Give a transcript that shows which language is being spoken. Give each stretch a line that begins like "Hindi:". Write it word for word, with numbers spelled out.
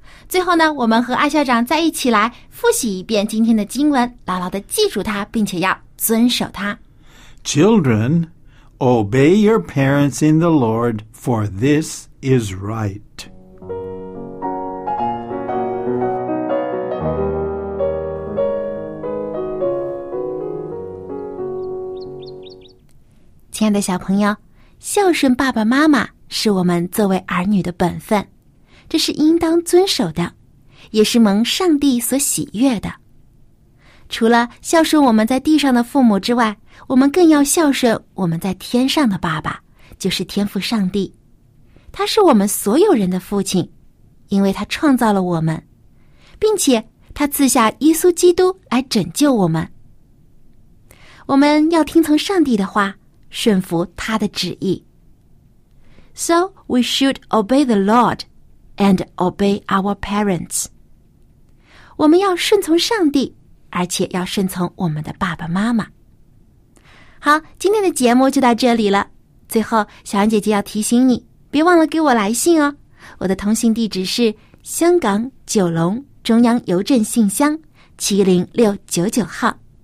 Chinese: 最后呢，我们和艾校长再一起来复习一遍今天的经文，牢牢地记住它，并且要遵守它。
English: Children. Obey your parents in the Lord, for this is right.
Chinese: 亲爱的小朋友，孝顺爸爸妈妈是我们作为儿女的本分，这是应当遵守的，也是蒙上帝所喜悦的。除了孝顺我们在地上的父母之外，我们更要孝顺我们在天上的爸爸，就是天父上帝。他是我们所有人的父亲，因为他创造了我们，并且他赐下耶稣基督来拯救我们。我们要听从上帝的话，顺服他的旨意。
English: So we should obey the Lord and obey our parents.
Chinese: 我们要顺从上帝，而且要顺从我们的爸爸妈妈。好，今天的节目就到这里了。最后，小安姐姐要提醒你，别忘了给我来信哦。我的通信地址是香港九龙中央邮政信箱七零六九九号。